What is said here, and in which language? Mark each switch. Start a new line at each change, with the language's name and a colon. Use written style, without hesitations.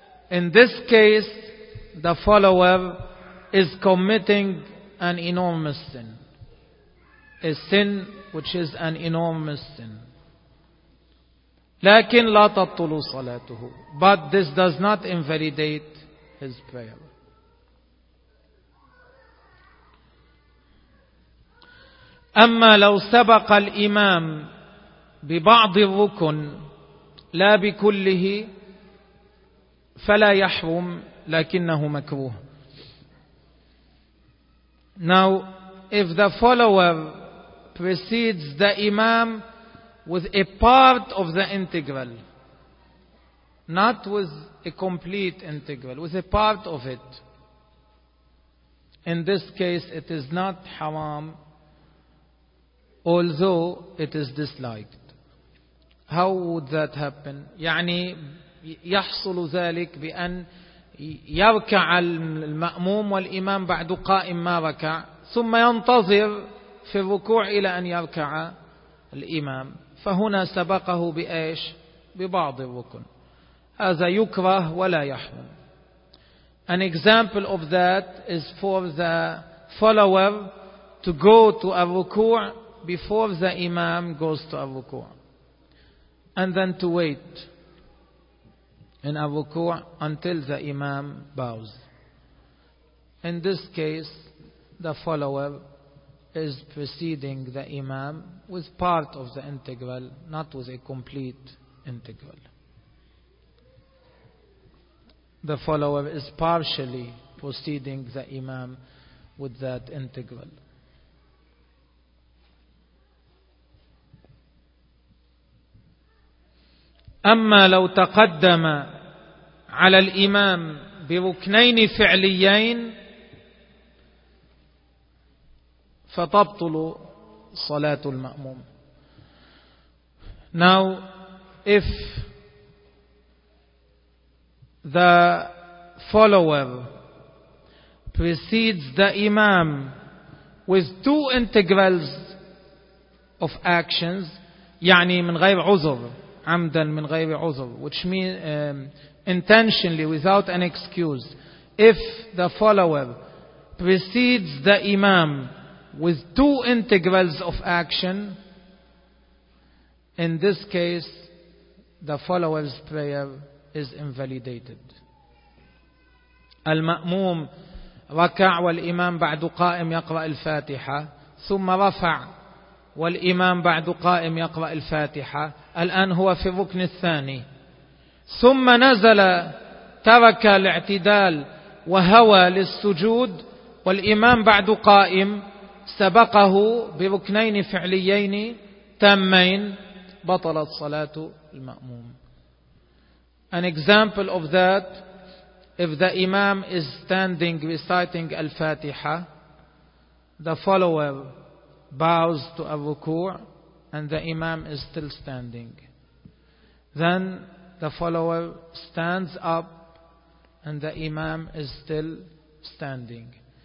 English: In this case, the follower is committing an enormous sin, a sin which is an enormous sin.
Arabic: لكن لا تبطل صلاته,
English: but this does not invalidate his prayer.
Arabic: أما لو سبق الإمام ببعض الركن لا بكله فلا يحرم لكنه مكروه.
English: Now, if the follower precedes the imam with a part of the integral, not with a complete integral, with a part of it, in this case it is not haram although it is disliked. How would that happen?
Arabic: يعني يحصل ذلك بأن يركع المأموم والإمام بعد قائم ما ركع ثم ينتظر في الركوع إلى أن يركع الإمام، فهنا سبقه بإيش؟ ببعض الركن. هذا يكره ولا يحرم.
English: An example of that is for the follower to go to a ruku' before the imam goes to a ruku' and then to wait in a ruku' until the imam bows. In this case, the follower is preceding the imam with part of the integral, not with a complete integral. The follower is partially preceding the imam with that integral.
Arabic: أما لو تقدم على الإمام بركنين فعليين فتبطل صلاة المأموم.
English: Now, if the follower precedes the imam with two integrals of actions,
Arabic: يعني من غير عذر
English: عمدا من غير عذر, which means intentionally without an excuse. If the follower precedes the imam with two integrals of action, in this case the follower's prayer is invalidated.
Arabic: المأموم ركع والإمام بعد قائم يقرأ الفاتحة ثم رفع والإمام بعد قائم يقرأ الفاتحة, الآن هو في الركن الثاني, ثم نزل ترك الاعتدال وهوى للسجود والإمام بعد قائم سبقه بركنين فعليين تامين, بطلت صلاة المأموم.
English: An example of that, if the imam is standing reciting al-Fatiha, the follower bows to a ruku' and the imam is still standing. Then the follower stands up and the imam is still standing.